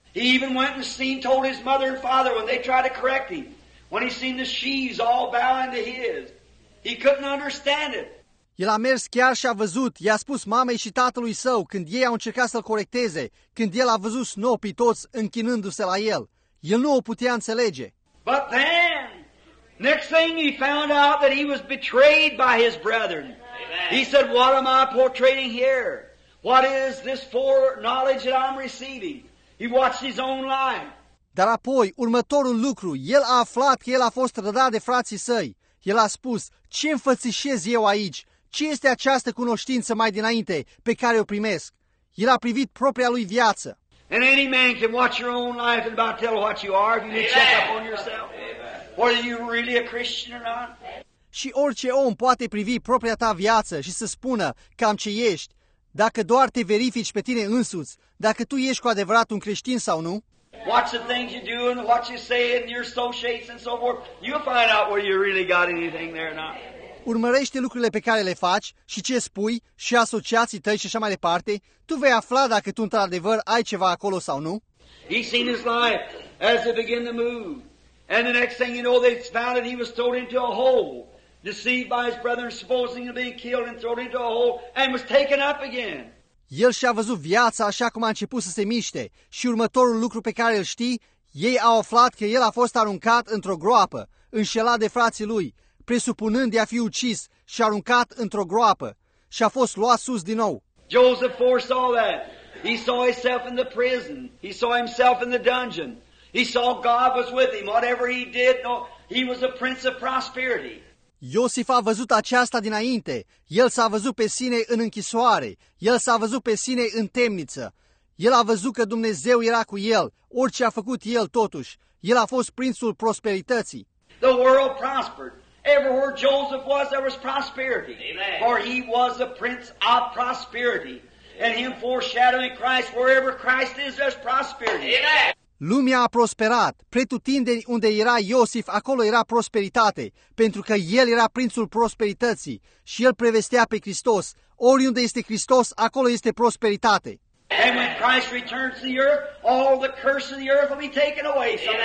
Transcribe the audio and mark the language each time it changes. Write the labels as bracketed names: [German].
[English] He even went and seen, told his mother and father when they tried to correct him. when he seen the sheaves all bowing to his. He couldn't understand it. [Romanian] El a mers chiar și a văzut, i-a spus mamei și tatălui său când ei au încercat să-l corecteze, când el a văzut snopii toți închinându-se la el. El nu o putea înțelege. [English] But then, next thing he found out that he was betrayed by his brethren. He said, what am I portraying here? What is this foreknowledge that I'm receiving? He watched his own life. [Romanian] Dar apoi, următorul lucru, el a aflat că el a fost trădat de frații săi. El a spus, ce înfățișez eu aici? Ce este această cunoștință mai dinainte pe care o primesc? El a privit propria lui viață. [English] And any man can watch your own life and about tell what you are if you check up on yourself. Whether you really a Christian or not. [Romanian] Și orice om poate privi propria ta viață și să spună cam ce ești, dacă doar te verifici pe tine însuți, dacă tu ești cu adevărat un creștin sau nu. [English] Watch the things you do and what you say and your associates and so forth. You'll find out whether you really got anything there or not. [Romanian] Urmărește lucrurile pe care le faci și ce spui și asociații tăi și așa mai departe, tu vei afla dacă tu într-adevăr ai ceva acolo sau nu. [English] He seen his life as it began to move. And the next thing you know, they found that he was thrown into a hole, deceived by his brethren, supposing to be killed and thrown into a hole, and was taken up again. [Romanian] El și-a văzut viața așa cum a început să se miște și următorul lucru pe care îl știi, ei au aflat că el a fost aruncat într-o groapă, înșelat de frații lui, presupunând de a fi ucis și aruncat într-o groapă și a fost luat sus din nou. [English] Joseph foresaw that. He saw himself in the prison. He saw himself in the dungeon. He saw God was with him. Whatever he did, no, he was a prince of prosperity. [Romanian] Iosif a văzut aceasta dinainte. El s-a văzut pe sine în închisoare. El s-a văzut pe sine în temniță. El a văzut că Dumnezeu era cu el. Orice a făcut el totuși. El a fost prințul prosperității. [English] The world prospered. Everywhere Joseph was, there was prosperity. Amen. For he was a prince of prosperity. And him foreshadowing Christ, wherever Christ is, there's prosperity. Amen. [Romanian] Lumea a prosperat. Pretutindeni unde era Iosif, acolo era prosperitate, pentru că el era prințul prosperității și el prevestea pe Hristos. Oriunde este Hristos, acolo este prosperitate. [English] And when Christ returns to the earth, all the curse of the earth will be taken away.